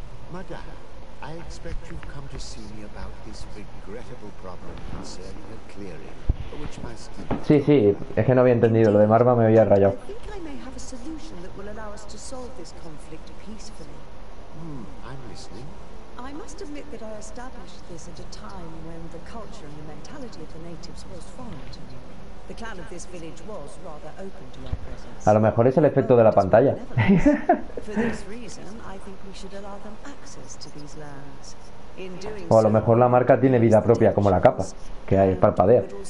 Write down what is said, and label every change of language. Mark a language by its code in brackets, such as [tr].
[en] Madame, I expect you've come to see me about this regrettable problem concerning a clearing, which must be... [es] Sí, sí, es que no había entendido, lo de marva me había rayado. [en] I must admit that I established this at a time when the culture and the mentality of the natives was foreign to me. The clan of this village was rather open to our presence. [es] A lo mejor es el efecto de la pantalla. [en] For this reason, I think we should allow them access to these lands. In doing so, [es] o a lo mejor la marca tiene vida propia como la capa, que hay parpadea.